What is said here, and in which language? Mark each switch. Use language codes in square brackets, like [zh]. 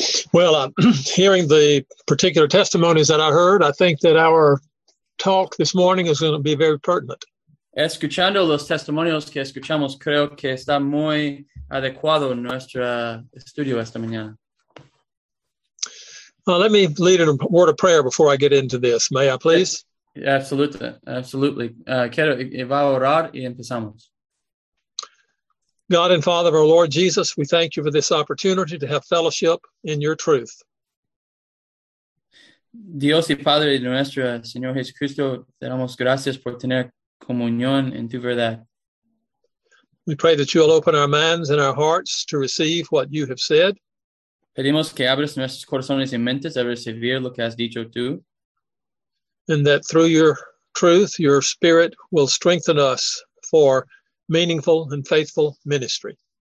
[en] Well, hearing the particular testimonies that I heard, I think that our talk this morning is going to be very pertinent. [es] Escuchando los testimonios que escuchamos, creo que está muy adecuado nuestro estudio esta mañana. [en] Let me lead in a word of prayer before I get into this. May I please? Absolutely. [es] Quiero va a orar y empezamos. [en] God and Father of our Lord Jesus, we thank you for this opportunity to have fellowship in your truth. [es] Dios y Padre nuestro, Señor Jesucristo, te damos gracias por tener comunión en tu verdad. [en] We pray that you will open our minds and our hearts to receive what you have said. [es] Pedimos que abres nuestros corazones y mentes a recibir lo que has dicho tú. [en] And that through your truth, your spirit will strengthen us for meaningful and faithful ministry.